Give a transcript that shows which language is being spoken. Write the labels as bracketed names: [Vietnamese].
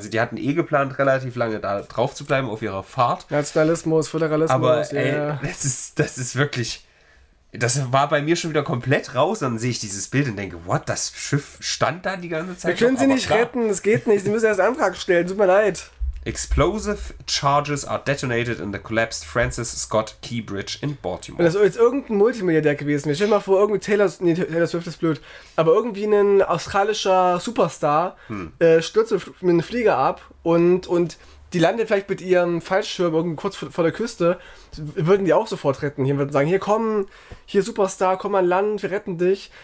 [German] Also die hatten eh geplant, relativ lange da drauf zu bleiben auf ihrer Fahrt. Nationalismus, Föderalismus. Aber ey, das ist wirklich... Das war bei mir schon wieder komplett raus. Dann sehe ich dieses Bild und denke, what, das Schiff stand da die ganze Zeit? Wir können sie nicht retten, es geht nicht. Sie müssen erst Antrag stellen, tut mir leid. [English] Explosive charges are detonated in the collapsed Francis Scott Key Bridge in Baltimore. [German] Und das ist irgendein Multimilliardär gewesen. Ich stelle mal vor, irgendwie Taylor Swift ist blöd, aber irgendwie ein australischer Superstar stürzt mit einem Flieger ab und die landet vielleicht mit ihrem Fallschirm irgendwie kurz vor der Küste, würden die auch sofort retten. Hier würden sagen, hier komm, hier Superstar, komm an Land, wir retten dich.